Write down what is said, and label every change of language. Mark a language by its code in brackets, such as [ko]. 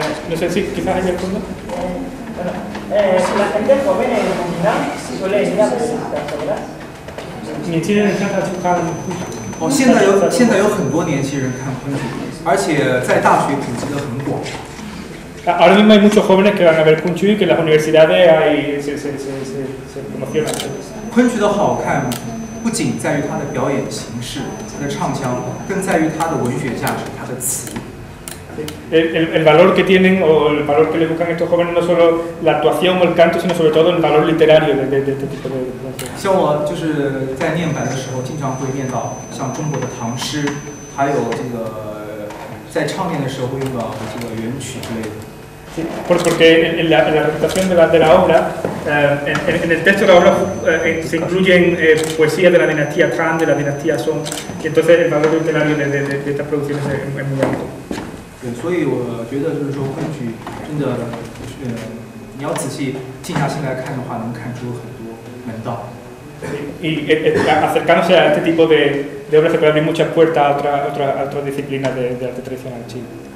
[es] No sé si quizás hay alguno. Bueno, si la gente joven en comunidad suele ir a ver estas obras. ¿Quién tiene que estar en el [zh] 现在有很多年轻人看昆曲，而且在大学普及的很广。 [es] Ahora mismo hay muchos jóvenes que van a ver Kung Chu y que las universidades hay se promocionan. [zh] Kung Chu 的好看不仅在于它的表演形式、它的唱腔，更在于它的文学价值、它的词。 [es] El valor que tienen o el valor que le buscan estos jóvenes no solo la actuación o el canto, sino sobre todo el valor literario de este tipo de. [zh] 像我就是在念白的时候，经常会念到像中国的唐诗，还有这个在唱念的时候会用到这个元曲之类的。 [es] Porque en la recitación de la obra, en el texto de la obra se incluyen poesías de la dinastía Tang, de la dinastía Song, y entonces el valor literario de estas producciones es muy alto. [zh] 对，所以我觉得就是说，昆曲真的，你要仔细静下心来看的话，能看出很多门道。 [es] Y acercándose a este tipo de obras se puede abrir muchas puertas a otras disciplinas de arte tradicional chino.